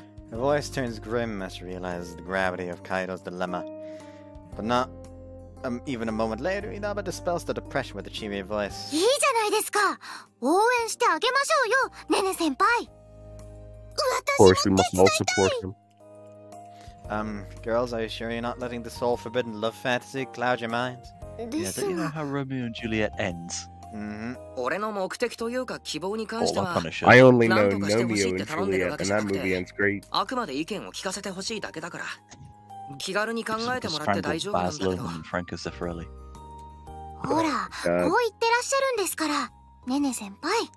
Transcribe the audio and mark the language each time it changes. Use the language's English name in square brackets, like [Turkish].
[English] Her voice turns grim as she realizes the gravity of Kaido's dilemma. But not even a moment later, Inaba dispels the depression with a cheery voice. [Japanese] いいじゃないですか。応援してあげましょうよ、ねね先輩。 [English] Of course, we must all support him. Girls, are you sure you're not letting this all forbidden love fantasy cloud your mind? Yeah, don't you know how Romeo and Juliet ends? I only know Romeo and Juliet, and that movie ends great. [Japanese] あくまで意見を聞かせてほしいだけだから。気軽に考えてもらって大丈夫なんだけど。 [English] Franco Zeffirelli. [Japanese] ほら、こう言ってらっしゃるんですから、ねね先輩。